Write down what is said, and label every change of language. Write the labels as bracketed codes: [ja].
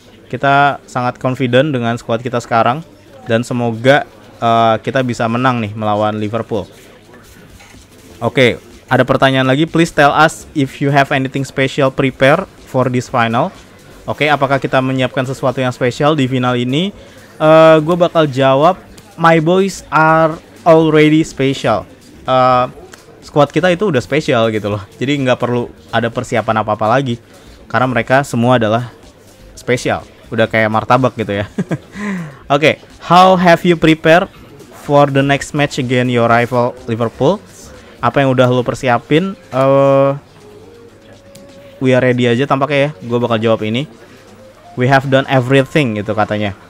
[id] Kita sangat confident dengan squad kita sekarang dan semoga kita bisa menang nih melawan Liverpool. [en] Oke, okay, [id] ada pertanyaan lagi, [en] please tell us if you have anything special prepare for this final. [id] Oke, okay, apakah kita menyiapkan sesuatu yang spesial di final ini? Gua bakal jawab [en] my boys are already special. [id] Squad kita itu udah spesial gitu loh. Jadi nggak perlu ada persiapan apa-apa lagi. Karena mereka semua adalah spesial. Udah kayak martabak gitu ya. Oke, okay. [en] How have you prepared for the next match against your rival Liverpool? [id] Apa yang udah lo persiapin? [en] We are ready [id] aja tampaknya ya. Gue bakal jawab ini. [en] We have done everything [id] gitu katanya.